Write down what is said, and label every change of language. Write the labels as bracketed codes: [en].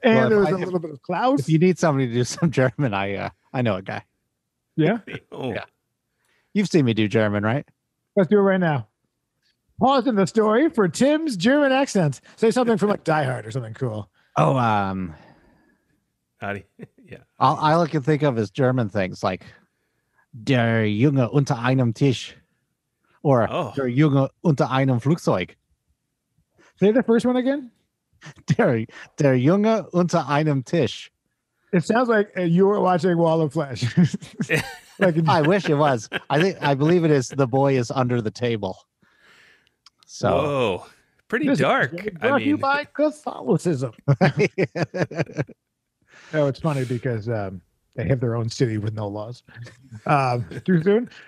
[en] And well, there was a little bit of Klaus. If you need somebody to do some German, I know a guy. Yeah? Oh. Yeah. You've seen me do German, right? Let's do it right now. Pause in the story for Tim's German accent. Say something from like Die Hard or something cool. Oh, Howdy. Yeah. All I can think of is German things like [de] Der Junge unter einem Tisch [en] or [de] Der Junge unter einem Flugzeug. [en] Say the first one again. [de] Der Junge unter einem Tisch. [en] It sounds like you were watching Wall of Flesh. I wish it was. I believe it is. The boy is under the table. So, whoa, pretty dark. I mean, you by Catholicism. No, it's funny because they have their own city with no laws. Too soon.